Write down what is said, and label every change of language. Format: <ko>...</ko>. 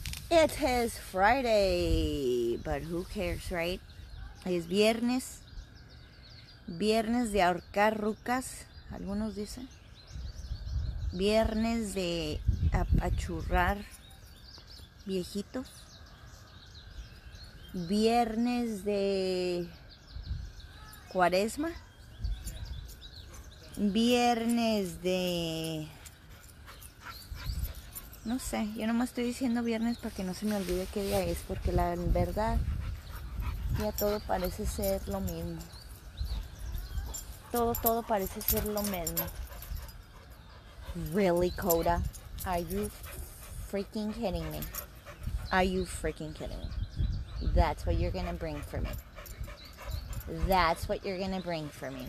<en>It is Friday, but who cares, right?</en> <es>Es viernes. Viernes de ahorcar rucas, algunos dicen. Viernes de apachurrar viejitos. Viernes de cuaresma. Viernes de... No sé, yo nomás estoy diciendo viernes para que no se me olvide qué día es, porque la verdad ya todo parece ser lo mismo. Todo parece ser lo mismo.</es> <en>Really, Coda? Are you freaking kidding me? Are you freaking kidding me? That's what you're gonna bring for me. That's what you're gonna bring for me.</en>